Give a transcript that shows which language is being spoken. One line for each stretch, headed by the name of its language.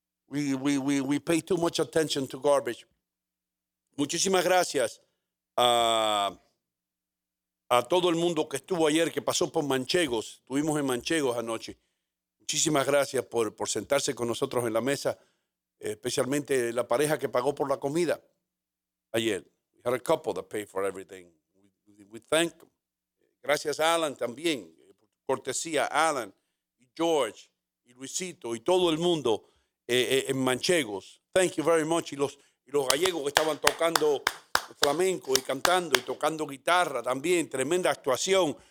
English: We pay too much attention to garbage.
Spanish: Muchísimas gracias a todo el mundo que estuvo ayer, que pasó por Manchegos. Estuvimos en Manchegos anoche. Muchísimas gracias por sentarse con nosotros en la mesa, especialmente la pareja que pagó por la comida ayer.
English: We had a couple that paid for everything. We thank them.
Spanish: Gracias a Alan también, por tu cortesía, Alan, y George, y Luisito, y todo el mundo. En Manchegos.
English: Thank you very much.
Spanish: Y los gallegos que estaban tocando flamenco y cantando y tocando guitarra también. Tremenda actuación.